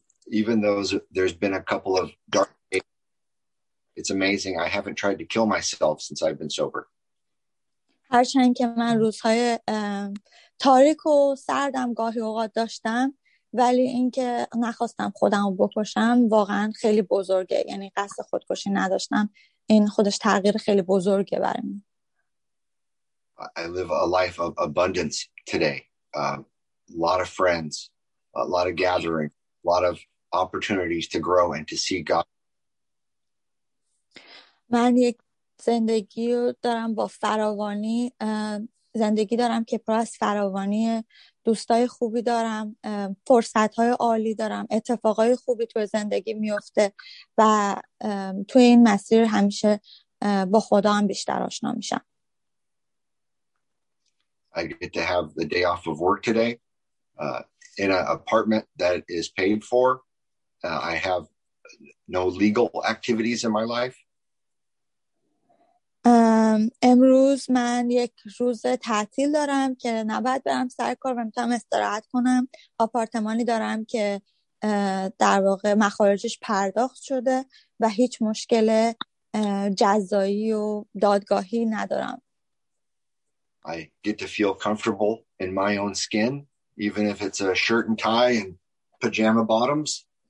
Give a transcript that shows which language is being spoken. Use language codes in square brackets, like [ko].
[en] Even though there's been a couple of dark days, it's amazing I haven't tried to kill myself since I've been sober. [fa] هرچند که من روزهای تاریک و سردم گاهی اوقات داشتم، ولی اینکه نخواستم خودم رو بکشم واقعا خیلی بزرگه. یعنی قصد خودکشی نداشتم، این خودش تغییر خیلی بزرگه برام. [en] I live a life of abundance today. A lot of friends, a lot of gathering, a lot of opportunities to grow and to see God. [fa] من یک زندگی دارم با فراوانی، زندگی دارم که پر از فراوانی، دوستای خوبی دارم، فرصت‌های عالی دارم، اتفاقای خوبی تو زندگی میفته و تو این مسیر همیشه با خدا هم بیشتر آشنا میشم. [en] I get to have the day off of work today in an apartment that is paid for. I have no legal activities in my life. [fa] امروز من یک روز تعطیل دارم که نباید برم سر کار و میتونم استراحت کنم. آپارتمانی دارم که در واقع مخارجش پرداخت شده و هیچ مشکل جزایی و دادگاهی ندارم. [en] I get to feel comfortable in my own skin, even if it's a shirt and tie and pajama bottoms.